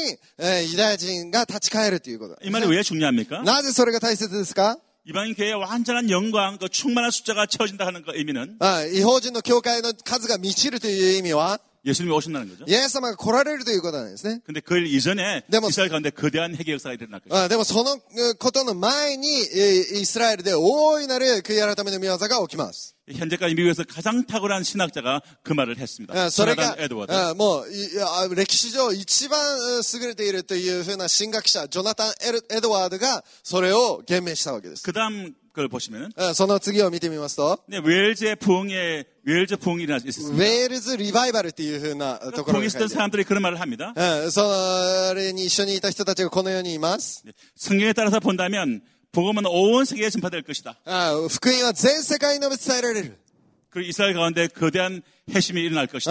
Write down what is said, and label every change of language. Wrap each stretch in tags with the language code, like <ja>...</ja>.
<ja>이방인の教会が完全に主の栄光で満たされるその前にユダヤ人が立ち返るということ.</ja> <ko>이 말이 왜 중요합니까?</ko> <ja>なぜそれが大切ですか?</ja> <ko>이방인 교회의 완전한 영광, 그 충만한 숫자가 채워진다 하는 그 의미는</ko> <ja>이방인の教会の数が満ちるという意味は</ja> <ko>예수님이 오신다는 거죠.</ko> <ja>예수님이 来られるということなんですね.</ja> <ko>근데 그 이전에 이스라엘 가운데 거대한 핵의 역사가 일어날 거죠.</ko> <ja>でもそのことの前に 이스라엘で大いなる悔い改めの御業が起きます.</ja> <ko>현재까지 미국에서 가장 탁월한 신학자가 그 말을 했습니다. 조나단 에드워드. 뭐 역사상 가장</ko> <ja>優れているというふうな 신학자 조나단 에드워드가 それを 言明したわけです.</ja> <ko>그다음 그걸 보시면은</ko> <ja>その次を見てみますと</ja> <ko>네, 웨일즈 부흥이 있었습니다.</ko> <ja>웨일즈 리바이벌っていうふうな</ja> <ko>그러니까 부흥이 있던 사람들이 그런 말을 합니다.</ko> <ja>それに一緒にいた人たちがこのようにいます.</ja> <ko>성경에 따라서 본다면 복음은 온 세계에 전파될 것이다. 복음은 전 세계에 전파되리라. 그리고 이스라엘 가운데 거대한 핵심이 일어날 것이다.</ko>